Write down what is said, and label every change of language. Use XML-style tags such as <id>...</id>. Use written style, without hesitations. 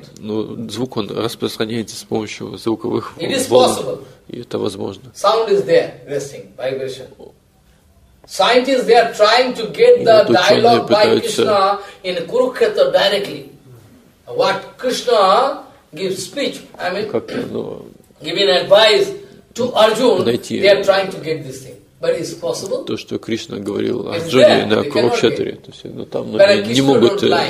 <ru>ну, звук он распространяется с помощью звуковых волн, и это возможно.</ru> <en>Sound is there, resting, vibration. Scientists, they are trying to get the dialogue by Krishna in Kurukshetra directly. What Krishna gives speech, I mean, giving advice to Arjuna, they are trying to get this thing. But it's possible.</en> <ru>То, что Кришна говорил о Арджуне на Курукшетре, то есть, ну, там не могут...</ru>